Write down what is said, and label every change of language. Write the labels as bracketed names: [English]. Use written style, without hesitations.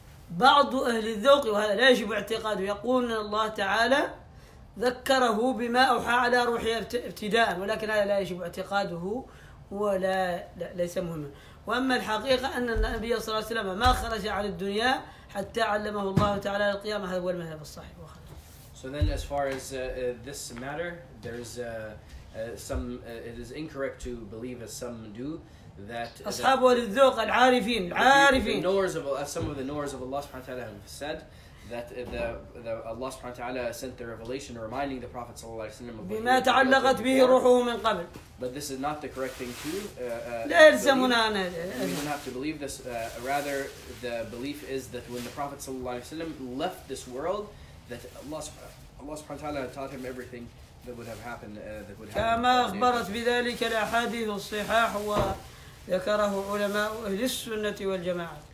[Arabic] بعض أهل الذوق وهذا لا يجب اعتقاده يقول أن الله تعالى ذكره بما أوحى على روحه ابتداء، ولكن هذا لا يجب اعتقاده ولا ليس مهما. وأما الحقيقة أن النبي صلى الله عليه وسلم ما خرج على الدنيا حتى علمه الله تعالى القيامة، هذا هو المذهب الصحيح. [English] So then as far as this matter, there is some, it is incorrect to believe as some do, that the knowers of Allah, some of the knowers of Allah subhanahu wa ta'ala have said that the Allah subhanahu wa ta'ala sent the revelation reminding the Prophet sallallahu alayhi wa sallam of [Arabic] بما تعلقت به روحه من قبل. [English] But this is not the correct thing to believe. We don't have to believe this. Rather, the belief is that when the Prophet sallallahu alayhi wa sallam left this world, that Allah subhanahu wa ta'ala had taught him everything that would have happened. [Arabic] كما أخبرت بذلك الأحاديث الصحاح وذكره علماء أهل السنة والجماعة.